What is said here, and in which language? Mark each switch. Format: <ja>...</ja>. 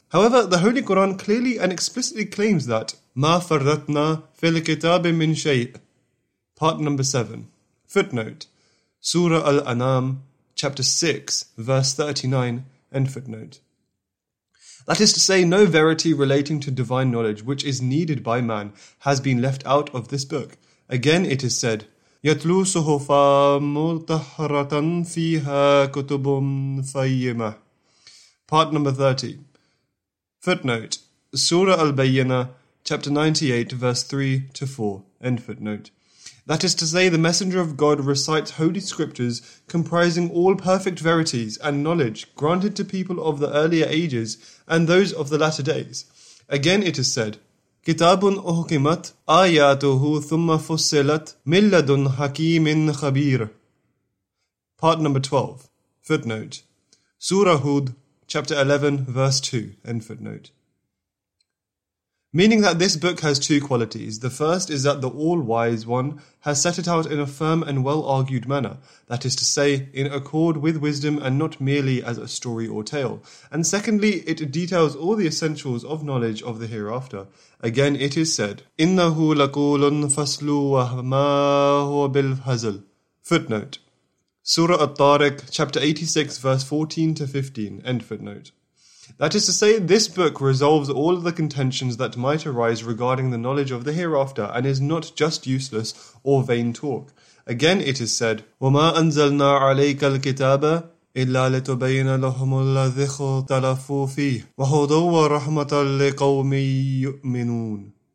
<en>However, the Holy Quran clearly and explicitly claims that</en> <ar>مَا فَرَّتْنَا فِي الْكِتَابِ مِنْ شَيْءٍ.</ar> <en>Part number 7. Footnote. Surah Al-An'am, chapter 6, verse 39, and footnote. That is to say, no verity relating to divine knowledge which is needed by man has been left out of this book. Again it is said,</en> <ar>يَتْلُو صُحُفًا مُطَهَّرَةً فِيهَا كُتُبٌ قَيِّمَةٌ.</ar> <en>Part number 30. Footnote. Surah Al-Bayyinah, chapter 98, verse 3-4, end footnote. That is to say, the Messenger of God recites holy scriptures comprising all perfect verities and knowledge granted to people of the earlier ages and those of the latter days. Again it is said,</en> <ar>كِتَابٌ أُحْكِمَتْ آيَاتُهُ ثُمَّ فُصِّلَتْ مِنْ لَدُنْ حَكِيمٍ خَبِيرٍ.</ar> <en>Part number 12. Footnote. Surah Hud, chapter 11, verse 2. End footnote. Meaning that this book has two qualities. The first is that the All-Wise One has set it out in a firm and well-argued manner, that is to say, in accord with wisdom and not merely as a story or tale. And secondly, it details all the essentials of knowledge of the hereafter. Again, it is said,</en> <ar>إِنَّهُ لَقُولٌ فَصْلُ وَمَا هُوَ بِالْهَزْلِ.</ar> <en>Footnote. Surah At-Tariq, chapter 86, verse 14-15. End footnote. That is to say, this book resolves all of the contentions that might arise regarding the knowledge of the hereafter and is not just useless or vain talk. Again, it is said,</en> <ar>وَمَا أَنزَلْنَا عَلَيْكَ الْكِتَابَ إِلَّا لِتُبَيْنَ لَهُمُ الَّذِي اخْتَلَفُوا فِيهِ وَهُدًى وَرَحْمَةً لِقَوْمٍ يُؤْمِنُونَ.</ar>